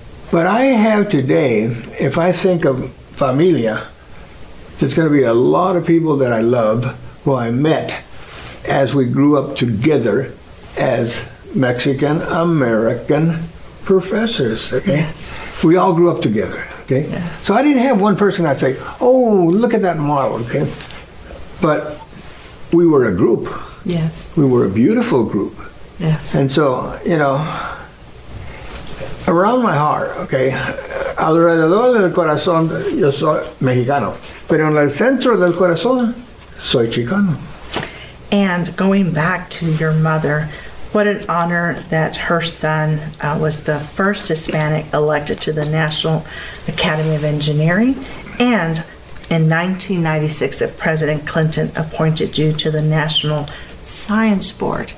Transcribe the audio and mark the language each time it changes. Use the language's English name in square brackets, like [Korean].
[English] But I have today, if I think of familia, there's going to be a lot of people that I love who I met as we grew up together as Mexican American professors, okay? Yes. We all grew up together, okay? Yes. So I didn't have one person I'd say, oh, look at that model, okay? But we were a group. Yes. We were a beautiful group. Yes. And so, you know, around my heart, okay, [Spanish] alrededor del corazón, yo soy mexicano, pero en el centro del corazón, soy chicano. [English] And going back to your mother, what an honor that her son was the first Hispanic elected to the National Academy of Engineering. And in 1996, that President Clinton appointed you to the National Science Board.